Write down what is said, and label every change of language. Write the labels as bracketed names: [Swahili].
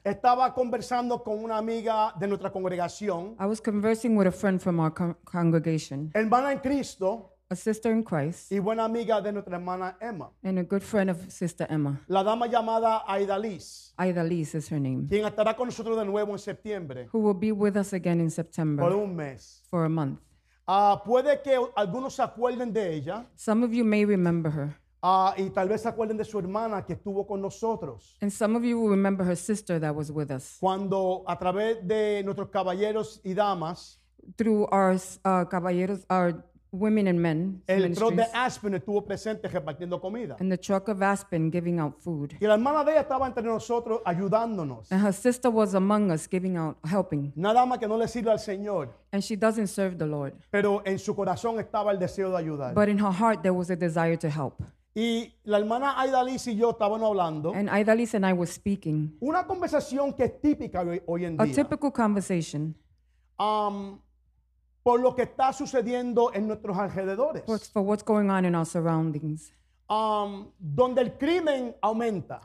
[Spanish] estaba conversando con una amiga de nuestra congregación. [English] I was conversing with a friend from our congregation. [Spanish] Hermana en Cristo, [English] a sister in Christ, [Spanish] y buena amiga de nuestra hermana Emma, [English] and a good friend of Sister Emma. [Spanish] La dama llamada Aidalis. [English] Aidalis is her name. [Spanish] Quien estará con nosotros de nuevo en septiembre. [English] Who will be with us again in September? [Spanish] Por un mes. [English] For a month. [Spanish] Puede que algunos se acuerden de ella. [English] Some of you may remember her. [Spanish] Y tal vez se acuerden de su hermana que estuvo con nosotros. [English] And some of you will remember her sister that was with us. [Spanish] Cuando a través de nuestros caballeros y damas, [English] through our caballeros, our women and men, [Spanish] el truck de Aspen estuvo presente repartiendo comida. [English] And the truck of Aspen giving out food. [Spanish] Y la hermana de ella estaba entre nosotros ayudándonos. [English] And her sister was among us giving out, helping. [Spanish] Nada más que no le sirve al Señor. [English] And she doesn't serve the Lord. [Spanish] Pero en su corazón estaba el deseo de ayudar. [English] But in her heart there was a desire to help. [Spanish] Y la hermana Aidalis y yo estábamos hablando. [English] And Aidalis and I were speaking. [Spanish] Una conversación que es típica hoy en día. [English] A typical conversation. [Spanish] Por lo que está sucediendo en nuestros alrededores. [English] For what's going on in our surroundings. [Spanish] Donde el crimen aumenta.